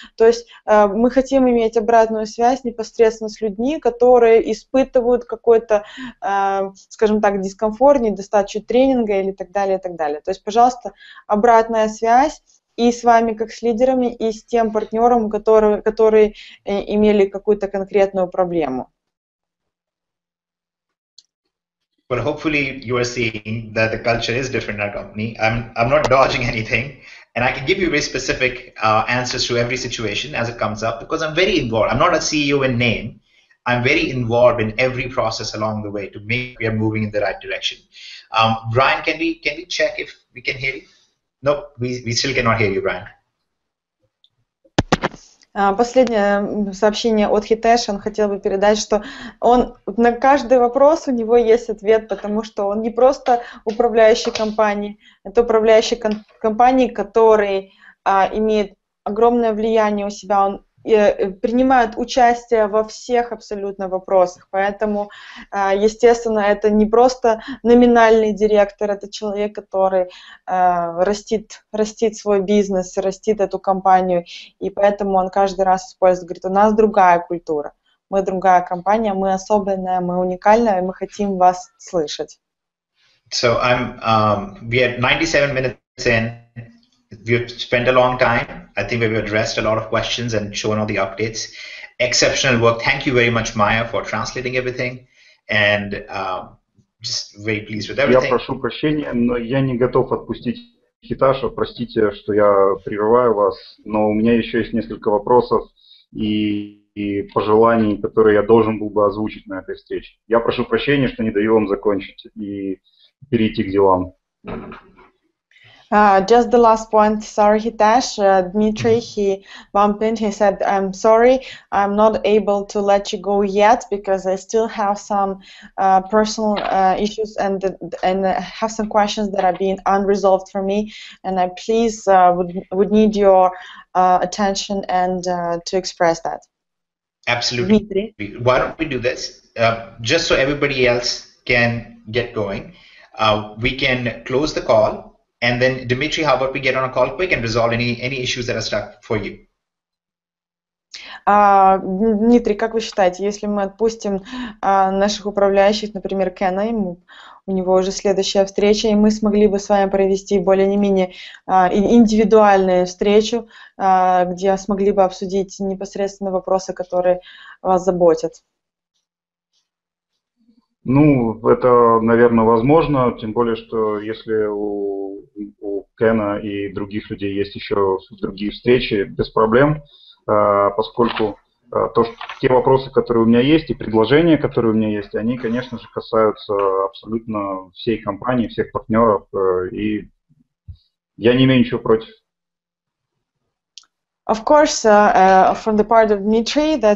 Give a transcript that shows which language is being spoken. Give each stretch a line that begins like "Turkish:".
Russian: То есть мы хотим иметь обратную связь непосредственно с людьми, которые испытывают какой-то, скажем так, дискомфорт, недостачу тренинга или так далее, и так далее. То есть, пожалуйста, обратная связь и с вами, как с лидерами, и с тем партнером, который имели какую-то конкретную проблему.
English: But hopefully you are seeing that the culture is different in our company. I'm not dodging anything, and I can give you very specific answers to every situation as it comes up, because I'm very involved. I'm not a CEO in name. I'm very involved in every process along the way to make sure we are moving in the right direction. Brian, can we check if we can hear you? Nope, we still cannot hear you, Brian.
Russian: Последнее сообщение от Hitesh, он хотел бы передать, что он на каждый вопрос у него есть ответ, потому что он не просто управляющий компанией, это управляющий компанией, который имеет огромное влияние у себя, он принимает участие во всех абсолютно вопросах. Поэтому, естественно, это не просто номинальный директор, это человек, который растит свой бизнес, растит эту компанию, и поэтому он каждый раз использует, говорит, у нас другая культура, мы другая компания, мы особенная, мы уникальная, и мы хотим вас слышать.
English: So we had 97 minutes in. We've spent a long time. I think we've addressed a lot of questions and shown all the updates. Exceptional work. Thank you very much, Maya, for translating everything. And just very pleased with everything.
Russian: Я прошу прощения, но я не готов отпустить Hitesh. Простите, что я прерываю вас, но у меня еще есть несколько вопросов и пожеланий, которые я должен был бы озвучить на этой встрече. Я прошу прощения, что не даю вам закончить и перейти к делам.
English: Just the last point, sorry Hitesh, Dmitry, he bumped in, he said, I'm sorry, I'm not able to let you go yet because I still have some personal issues and have some questions that are being unresolved for me, and I please would need your attention and to express that. Absolutely. Dmitry. Why don't we do this, just so everybody else can get going, we can close the call. And then, Dmitry, how about we get on a call quick and resolve any issues that are stuck for you?
Russian: Дмитрий, как вы считаете, если мы отпустим наших управляющих, например, Кена, у него уже следующая встреча, и мы смогли бы с вами провести более не менее индивидуальную встречу, где смогли бы обсудить непосредственно вопросы, которые вас заботят? Ну, это, наверное, возможно, тем более, что если у Кена и других людей есть еще другие встречи, без проблем, поскольку те вопросы, которые у меня есть, и предложения, которые у меня есть, они, конечно же, касаются абсолютно всей компании, всех партнеров, и я не имею ничего против.
English: Of course, from the part of Dmitry, that's...